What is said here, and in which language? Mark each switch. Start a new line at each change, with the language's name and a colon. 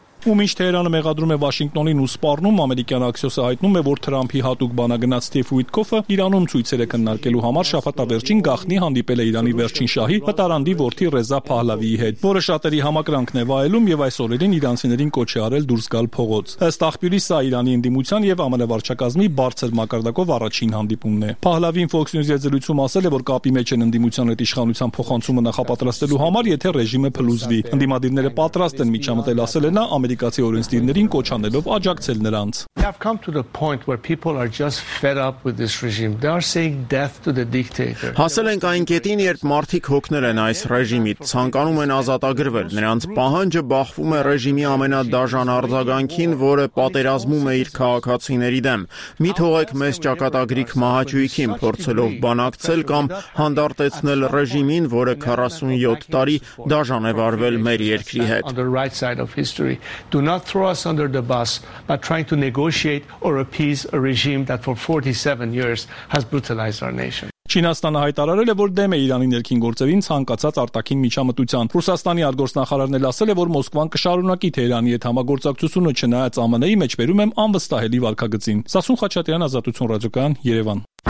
Armenian: Ու միշտ Թեհրանը մեղադրում է Վաշինգտոնին ու սպառնում, ամերիկյան Աքսիոսը հայտնում է, որ Թրամփի հատուկ բանագնաց Սթիվ Ուիտկոֆը Իրանում ցույցերը քննարկելու համար շաբաթավերջին գաղտնի հանդիպել է Իրանի վերջին շահի պատարանդի որդի Ռեզա Փահլավիի հետ, որը շատերի համակրանքն է վայելում եւ այս օրերին իրանցիներին կոչ է արել դուրս գալ փողոց։ Ըստ աղբյուրի, սա Իրանի ընդդիմության եւ ԱՄՆ վարչակազմի բարձր մակարդակով առաջին հանդիպումն է։ Փահլավին Fox News-ի ձեռքում ասել է, որ կապի մեջ են ընդդիմության հետ իշխանության փոխանցումը նախապատրաստելու համար, եթե ռեժիմը փլուզվի։ Ընդդիմադիրները պատրաստ են միջամտել, ասել է նա, ամերիկացի օրենսդիրներին կոչանելով աջակցել նրանց։
English: They have come to the point where people are just fed up with this regime. They are saying death to the dictator.
Armenian: Հասել ենք այն կետին, երբ մարդիկ հոգնել են այս ռեժիմից, ցանկանում են ազատագրվել։ Նրանց պահանջը բախվում է ռեժիմի ամենադաժան արձագանքին, որը պատերազմում է իր քաղաքացիների դեմ։ Մի թողեք մեզ ճակատագրիկ մահաճույքին, փորձելով բանակցել կամ հանդարտեցնել ռեժիմին, որը 47 տարի դաժան է վարվել մեր երկրի հետ։
English: Do not throw us under the bus by trying to negotiate or appease a regime that for 47 years has brutalized our nation.
Armenian: Չինաստանը հայտարարել է, որ դեմ է Իրանի ներքին գործերին ցանկացած արտաքին միջամտության։ Ռուսաստանի արտգործնախարարն էլ ասել է, որ Մոսկվան կշարունակի Թեհրանի հետ համագործակցությունը, չնայած ԱՄՆ-ի մեջբերում է անվստահելի վարկագծին։ Սասուն Խաչատրյան, Ազատություն ռադիոկայան, Երևան։